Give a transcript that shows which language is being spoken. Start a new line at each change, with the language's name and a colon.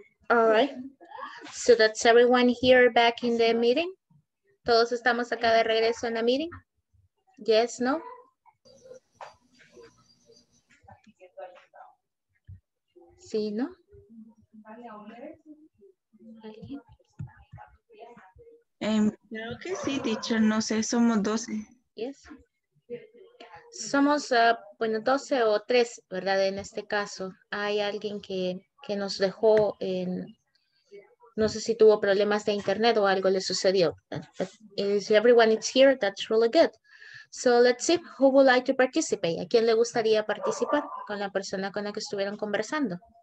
English: All right, so that's everyone here back in the meeting.
Spanish: Todos estamos acá de regreso en la meeting.
English: Yes, no?
Spanish: Sí, no? Creo que sí, teacher, no sé, somos 12.
English: Yes.
Spanish: Somos, bueno, 12 o 3, ¿verdad? En este caso, hay alguien que nos dejó en, no sé si tuvo problemas de internet o algo le sucedió.
English: If everyone is here, that's really good. So let's see who would like to participate.
Spanish: ¿A quién le gustaría participar con la persona con la que estuvieron conversando?